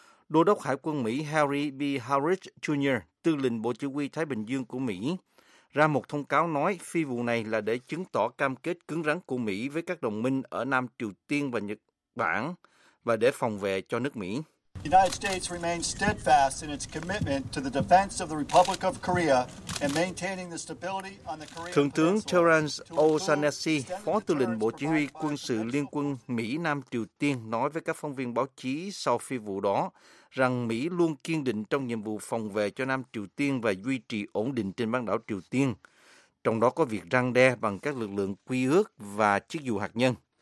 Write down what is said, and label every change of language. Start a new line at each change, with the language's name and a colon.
Vietnamese: Đô đốc Hải quân Mỹ Harry B. Harris Jr., tư lệnh Bộ Chỉ huy Thái Bình Dương của Mỹ, ra một thông cáo nói phi vụ này là để chứng tỏ cam kết cứng rắn của Mỹ với các đồng minh ở Nam Triều Tiên và Nhật Bản và để phòng vệ cho nước Mỹ.
English: The United States remains steadfast in its commitment to the defense of the Republic of Korea and maintaining the stability on the Korean
Vietnamese: Thượng tướng Terence O'Shaughnessy, phó tư lệnh Bộ Chỉ huy Quân sự Liên quân Mỹ Nam Triều Tiên nói với các phóng viên báo chí sau phi vụ đó rằng Mỹ luôn kiên định trong nhiệm vụ phòng vệ cho Nam Triều Tiên và duy trì ổn định trên bán đảo Triều Tiên, trong đó có việc răn đe bằng các lực lượng quy ước và chiếc dù hạt nhân.